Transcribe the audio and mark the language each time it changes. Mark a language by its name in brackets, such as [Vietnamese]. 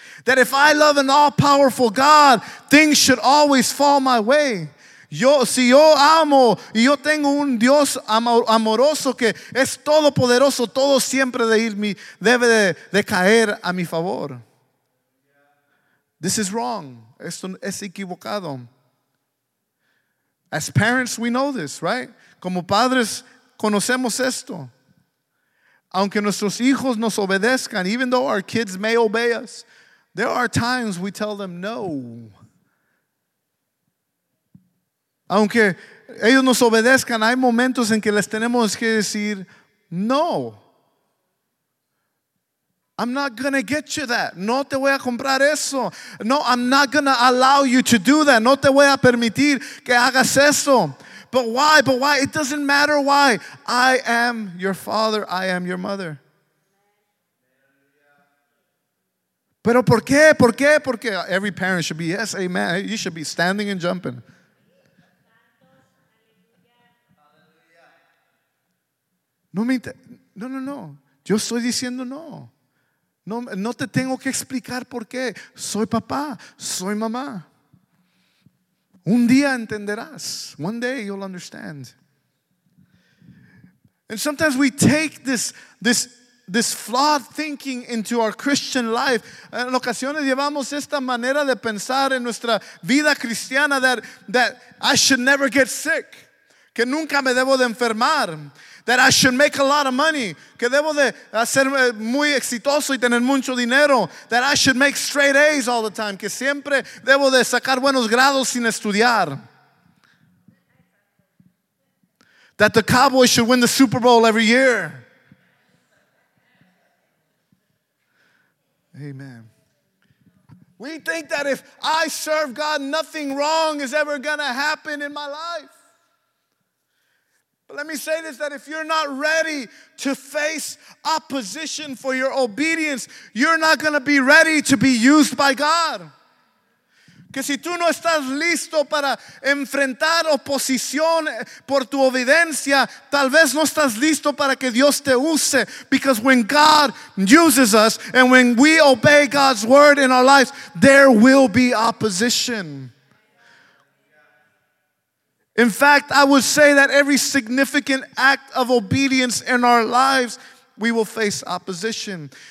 [English] That if I love an all-powerful God, things should always fall my way. [Spanish] Si yo amo y yo tengo un Dios amoroso que es todopoderoso, todo siempre debe de caer a mi favor. [English] This is wrong. [Spanish] Esto es equivocado. [English] As parents, we know this, right? [Spanish] Como padres, conocemos esto. Aunque nuestros hijos nos obedezcan, [English] even though our kids may obey us, there are times we tell them no. [Spanish] Aunque ellos nos obedezcan, hay momentos en que les tenemos que decir no. [English] I'm not going to get you that. [Spanish] No te voy a comprar eso. [English] No, I'm not going to allow you to do that. [Spanish] No te voy a permitir que hagas eso. [English] But why? But why? It doesn't matter why. I am your father. I am your mother. [Spanish] Pero por qué? Por qué? Por qué? [English] Every parent should be, yes, amen. You should be standing and jumping. [Spanish] No, no, no, no. Yo estoy diciendo no. No, no te tengo que explicar por qué. Soy papá, soy mamá. Un día entenderás. [English] One day you'll understand. And sometimes we take this flawed thinking into our Christian life. [Spanish] En ocasiones llevamos esta manera de pensar en nuestra vida cristiana [English] that I should never get sick. [Spanish] Que nunca me debo de enfermar. [English] That I should make a lot of money. [Spanish] Que debo de ser muy exitoso y tener mucho dinero. [English] That I should make straight A's all the time. [Spanish] Que siempre debo de sacar buenos grados sin estudiar. [English] That the Cowboys should win the Super Bowl every year. Amen. We think that if I serve God, nothing wrong is ever going to happen in my life. Let me say this, that if you're not ready to face opposition for your obedience, you're not going to be ready to be used by God. [Spanish] Que si tú no estás listo para enfrentar oposición por tu obediencia, tal vez no estás listo para que Dios te use. [English] Because when God uses us and when we obey God's word in our lives, there will be opposition. In fact, I would say that every significant act of obedience in our lives, we will face opposition.